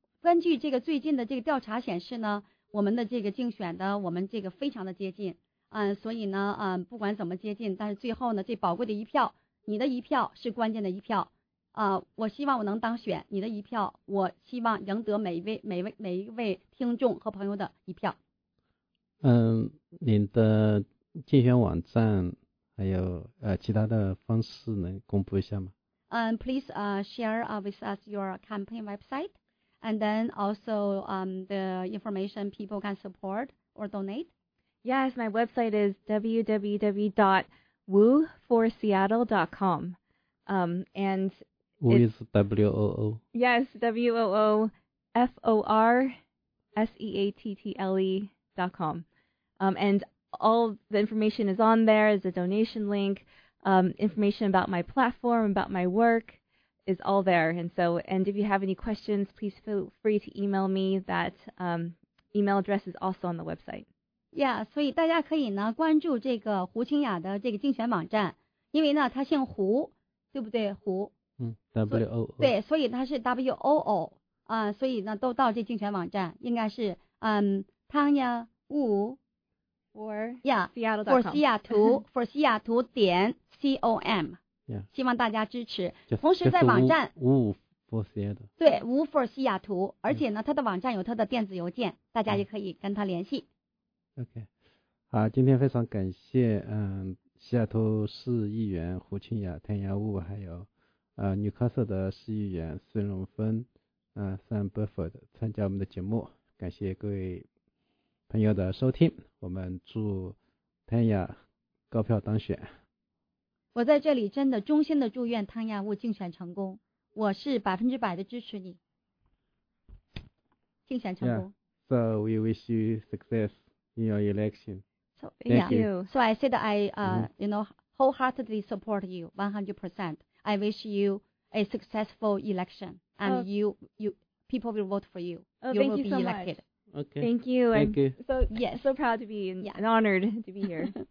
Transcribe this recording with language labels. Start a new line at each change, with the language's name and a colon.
Chinese: 根据这个最近的这个调查显示呢，我们的这个竞选的我们这个非常的接近所以呢不管怎么接近，但是最后呢这宝贵的一票，你的一票是关键的一票。我希望我能当选，你的一票，我希望赢得每一位听众和朋友的一票。您的竞选网站还有其他的方式能公布一下吗？
English: Please share with us your campaign website, and then also the information people can support or donate. Yes, my website is www.wooforseattle.com. And who is W-O-O? Yes, W-O-O-F-O-R-S-E-A-T-T-L-E.com. And all the information is on there. There's a donation link. Information about my platform, about my work is all there. And so, and if you have any questions, please feel free to email me. That email address is also on the website.
Chinese: Yeah, 所以大家可以呢关注这个胡清雅的这个竞选网站，因为呢她姓胡，对不对？胡，嗯 ，W-O-O，对，所以她是 W-O-O 啊、所以呢都到这竞选网站，应该是Tanya Wu
English: for Seattle.com，for Seattle，for Seattle.com，
Chinese: 希望大家支持。
English: Just,
Chinese: 同时在网站
English: Wu for Seattle，
Chinese: 对 ，Wu for Seattle， 而且呢她的网站有她的电子邮件，大家也可以跟她联系。 OK， 好，今天非常感谢西雅图市议员胡清雅、谭雅雾，还有纽卡斯的市议员孙荣芬、Sam Burford 参加我们的节目，感谢各位朋友的收听，我们祝谭雅高票当选。我在这里真的衷心的祝愿谭雅雾竞选成功，我是100%的支持你竞选成功。
English: Yeah, so we wish you success. In your election. So, yeah. Thank you. So I said you know, wholeheartedly support you, 100%. I wish you a successful election, and you people will vote for you. Oh, thank you so elected. Much. Okay. Thank you. Thank you. So, yes. So proud to be and honored to be here.